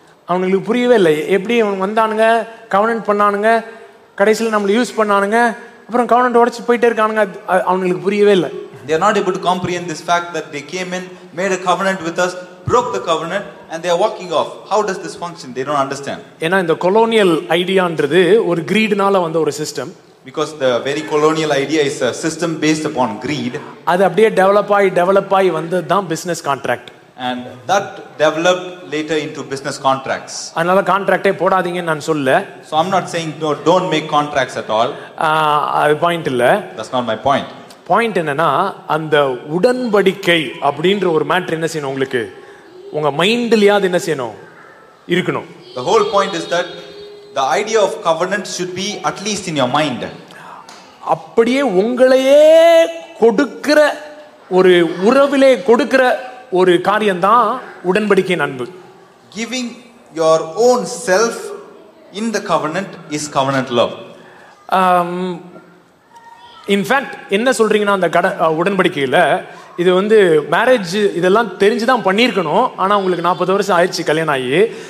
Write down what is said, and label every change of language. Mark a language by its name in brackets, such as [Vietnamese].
[Tamil] அவனுக்கு புரியவே இல்லை, எப்படி இவன் வந்தானுங்க கவனன் பண்ணானுங்க கடைசியில் நம்மள யூஸ் பண்ணானுங்க அப்புறம் கவனன் உடைச்சு போயிட்டே இருக்கானுங்க, அவனுக்கு புரியவே இல்லை. [English] They are not able to comprehend this fact that they came in, made a covenant with us, broke the covenant, and they are walking off. How does this function? They don't understand. [Tamil] ஏனா இந்த colonial ஐடியான்றது ஒரு greedனால வந்த ஒரு system. [English] Because the very colonial idea is a system based upon greed. [Tamil] அது அப்படியே develop ஆகி வந்தது தான் business contract. [English] And that developed later into business contracts. [Tamil] அதனால கான்ட்ராக்டே போடாதீங்கன்னு நான் சொல்லல. [English] So I'm not saying don't make contracts at all. [Tamil] அது point இல்ல. [English] That's not my point. [Tamil] Point என்னன்னா, அந்த உடன்படிக்கை அப்படின்ற ஒரு மேட்டர் என்ன செய்யணும், உங்களுக்கு உங்க மைண்ட்லயாவது என்ன செய்யணும், இருக்கணும். [English] The whole point is that the idea of covenant should be at least in your mind. [Tamil] அப்படியே உங்களையே கொடுக்கிற ஒரு உறவிலே கொடுக்கிற ஒரு காரியம் தான் உடன்படிக்கை அன்பு. [English] Giving your own self in the covenant is covenant love. In fact, [Tamil] என்ன சொல்றீங்கன்னா, அந்த உடன்படிக்கையில் இது வந்து மேரேஜ் இதெல்லாம் தெரிஞ்சு தான் பண்ணியிருக்கணும், ஆனால் உங்களுக்கு 40 வருஷம் ஆயிடுச்சு கல்யாணம் ஆகி.